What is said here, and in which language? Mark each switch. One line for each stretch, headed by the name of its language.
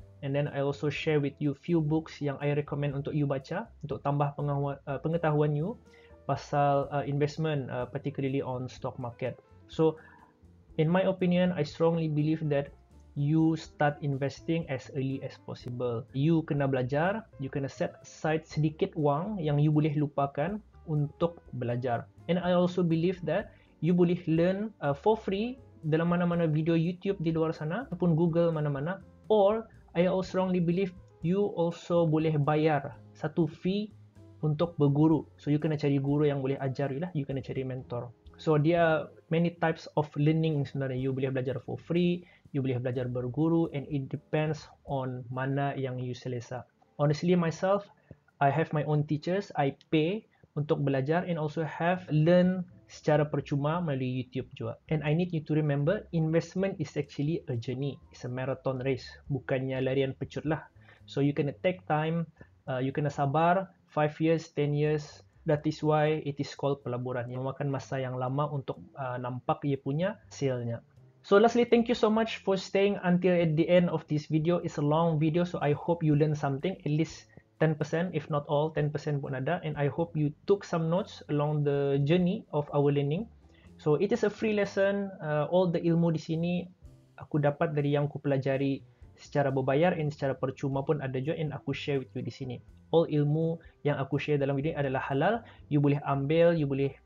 English: And then I also share with you few books yang I recommend untuk you baca
Malay: untuk tambah pengetahuan
English: you pasal investment, particularly on stock market. So in my opinion, I strongly believe that you start investing as early as possible.
Malay: You kena belajar, you kena
English: set aside
Malay: sedikit wang yang you boleh lupakan untuk belajar.
English: And I also believe that you boleh learn for free
Malay: dalam mana-mana video YouTube di luar sana ataupun Google mana-mana.
English: Or I also strongly believe you also
Malay: boleh bayar satu fee untuk berguru. So you kena cari guru yang boleh ajar you lah, you kena cari mentor.
English: So there are many types of learning
Malay: sebenarnya. You boleh belajar for free, you boleh belajar berguru,
English: and it depends on
Malay: mana yang you selesa.
English: Honestly myself, I have my own teachers, I pay untuk belajar and also have learn
Malay: secara percuma melalui YouTube juga.
English: And I need you to remember, investment is actually a journey. It's a marathon race,
Malay: bukannya larian pecut lah.
English: So you kena take time, you kena sabar 5 years, 10 years. That is why it is called pelaburan,
Malay: yang memakan masa yang lama untuk nampak ia punya hasilnya.
English: So lastly, thank you so much for staying until at the end of this video. It's a long video, so I hope you learn something, at least 10%, if not all, 10% pun ada. And I hope you took some notes along the journey of our learning. So it is a free lesson.
Malay: All the ilmu di sini aku dapat dari yang aku pelajari secara berbayar and secara percuma pun ada juga,
English: and aku share with you
Malay: di sini. All ilmu yang aku share dalam video adalah halal. You boleh ambil, you boleh